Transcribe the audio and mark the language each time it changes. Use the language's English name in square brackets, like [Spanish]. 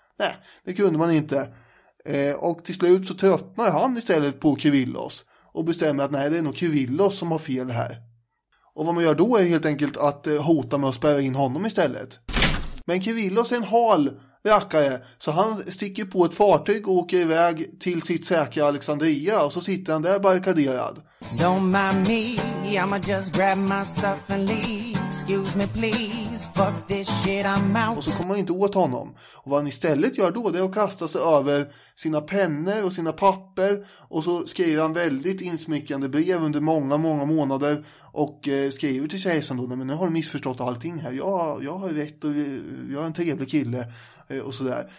[Swedish] Nej, det kunde man inte. Och till slut så tröttnar han istället på Kyrillos och bestämmer att nej, det är nog Kyrillos som har fel här. Och vad man gör då är helt enkelt att hota med att spärra in honom istället. Men Kyrillos är en hal rackare, så han sticker på ett fartyg och åker iväg till sitt säkra Alexandria, och så sitter han där barrikaderad. [English] Don't mind me, I'ma just grab my stuff and leave. Excuse me please, fuck this shit, I'm out. [Swedish] Och så kommer han inte åt honom. Och vad han istället gör då, det är att kasta sig över sina pennor och sina papper, och så skriver han väldigt insmyckande brev under många, många månader och skriver till kejsaren då, nej, men nu har du missförstått allting här. Jag har rätt och jag är en trevlig kille. Och sådär.